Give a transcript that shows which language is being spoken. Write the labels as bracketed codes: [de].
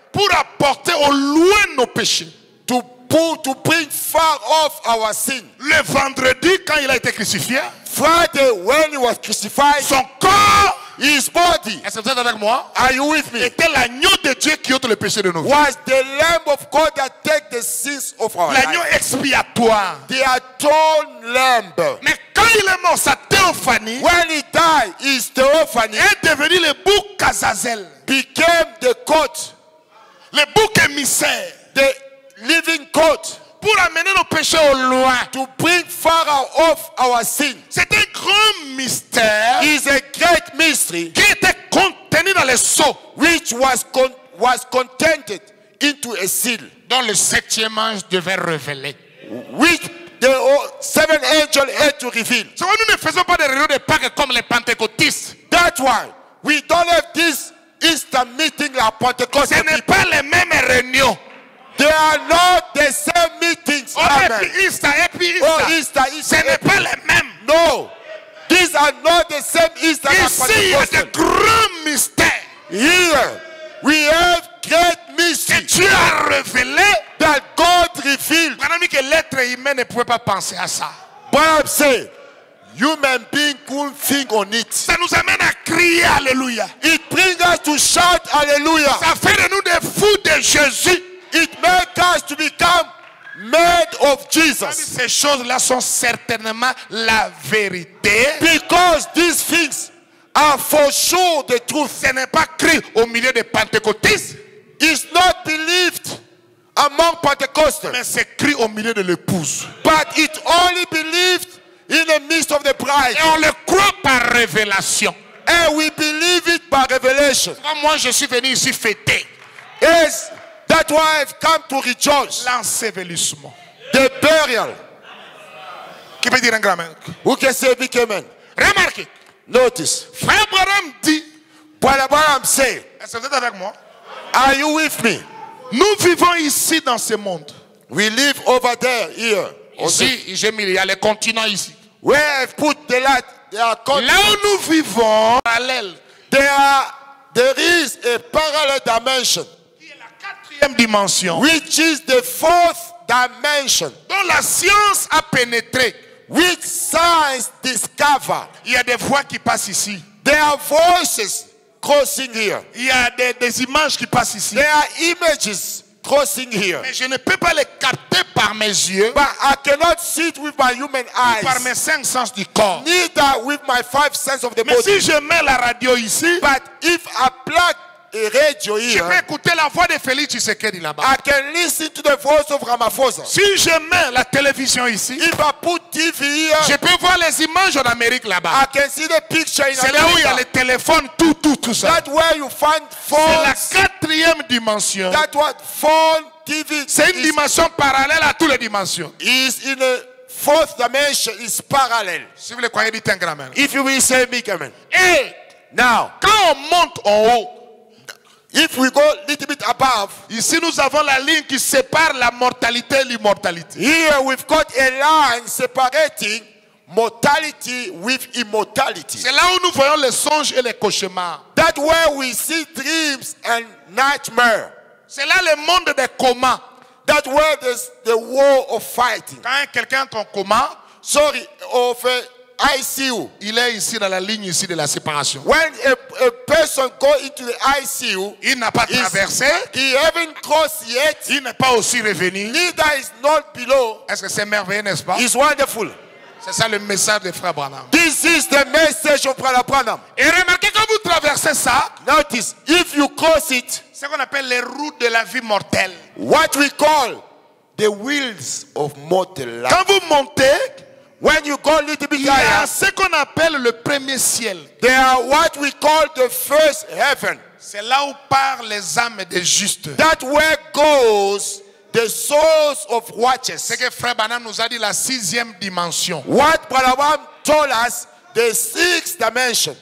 [fr] Pour apporter au loin nos péchés. [en] To bring far off our sin. [fr] Le vendredi quand il a été crucifié, [en] Friday when he was crucified, [fr] son corps, [en] his body, [fr] est-ce que vous êtes avec moi? [en] Are you with me? [fr] Était l'agneau de Dieu qui ôte le péché de nos vies. [en] Was the lamb of God that takes the sins of our life. [fr] L'agneau expiatoire. [en] The atoned lamb. [fr] Mais quand il est mort, sa théophanie, [en] when he died, his theophany, [fr] est devenu le bouc Azazel. [en] Became the goat. [fr] Le bouc émissaire. [en] The living court, [fr] pour amener nos péchés au loin, [en] to bring far off our sin. [fr] C'est un grand mystère, [en] is a great mystery, [fr] qui était contenu dans le sceau, [en] which was contained into a seal, [fr] dont le septième ange devait révéler, [en] which the seven angels had to reveal. [fr] So nous ne faisons pas des réunions de Pâques comme les pentecôtistes. [en] That's why we don't have this Easter meeting like Pentecost. [fr] Ce n'est pas les mêmes réunions. [en] They are not the same meetings. Oh, amen. Easter. [fr] Ce n'est pas les mêmes. [en] No. These are not the same Easter. [fr] Ici, il y a de grands mystères. [en] Here, we have great mystery. [fr] Que Dieu a révélé. [en] That God revealed. [fr] Mon ami, que l'être humain ne pouvait pas penser à ça. [en] Bible says, human being couldn't think on it. [fr] Ça nous amène à crier alléluia. [en] It brings us to shout alléluia. [fr] Ça fait de nous des fous de Jésus. [en] It makes us to become made of Jesus. [fr] Ces choses-là sont certainement la vérité. [en] Because these things are for sure the truth. [fr] Ce n'est pas crié au milieu des pentecôtistes. [en] It's not believed among Pentecostals. [fr] Mais c'est crié au milieu de l'épouse. [en] But it's only believed in the midst of the bride. [fr] Et on le croit par révélation. [en] And we believe it by revelation. [fr] Moi, je suis venu ici fêter. [en] Yes. That's why I've come to rejoice. [fr] L'ensevelissement. [en] The burial. [fr] Qui peut dire un grand amen? [en] Who can say big amen? [fr] Remarquez. [en] Notice. [fr] Frère Branham dit. [en] Brother Branham say. [fr] Est-ce que vous êtes avec moi? [en] Are you with me? [fr] Nous vivons ici dans ce monde. [en] We live over there, here. [fr] Ici, j'ai mis, il y a les continents ici. [en] Where I've put the light, there are continents. [fr] Là où nous vivons. [en] Parallèle. There is a parallel dimension. [fr] Dimension, [en] which is the fourth dimension, [fr] dont la science a pénétré, [en] which science discover. [fr] Il y a des voix qui passent ici. [en] There are voices crossing here. [fr] Il y a des images qui passent ici. [en] There are images crossing here. [fr] Mais je ne peux pas les capter par mes yeux. [en] But I cannot see it with my human eyes. [fr] Par mes cinq sens du corps. [en] Neither with my five senses of the [fr] mais [en] body. [fr] Mais si je mets la radio ici, [en] but if I plug et radio here, [fr] je peux écouter la voix de Félix Tshisekedi là-bas. [en] I can listen to the voice of Ramaphosa. [fr] Si je mets la télévision ici, [en] if I put TV here, [fr] je peux voir les images en Amérique là-bas. [en] I can see the picture in [fr] c'est [en] America. [fr] Là où il y a les téléphones, tout ça. [en] That's where you find phones. [fr] C'est la quatrième dimension. [en] That's what phone, TV. [fr] C'est une dimension parallèle à toutes les dimensions. [en] Is in a fourth dimension, is parallel. [fr] Si vous le croyez, dites un grand amen. [en] If you will say big amen. Hey, now, [fr] quand on monte en haut, [en] If we go a little bit above, [fr] ici nous avons la ligne qui sépare la mortalité et l'immortalité. [en] Here we've got a line separating mortality with immortality. [fr] C'est là où nous voyons les songes et les cauchemars. [en] That's where we see dreams and nightmares. [fr] C'est là le monde des comas. [en] That's where there's the war of fighting. [fr] Quand quelqu'un est en coma, [en] sorry, of ICU. [fr] Il est ici dans la ligne ici de la séparation. [en] When a person goes into the ICU, [fr] il n'a pas traversé. [en] He haven't crossed yet. [fr] Il n'est pas aussi revenu. [en] Neither is not below. [fr] Est-ce que c'est merveilleux, n'est-ce pas? [en] It's wonderful. [fr] C'est ça le message de Frère Branham. [en] This is the message of Brother Branham. [fr] Et remarquez quand vous traversez ça. [en] Notice, if you cross it, [fr] c'est qu'on appelle les routes de la vie mortelle. [en] What we call the wheels of mortal life. [fr] Quand vous montez, [en] when you go a little bit higher, [fr] il y a ce qu'on appelle le premier ciel. [en] They are what we call the first heaven. [fr] C'est là où partent les âmes des justes. [en] That's where goes the souls of righteous. [fr] C'est que Frère Branham nous a dit la sixième dimension. [en] What Brother Branham told us, the sixth dimension.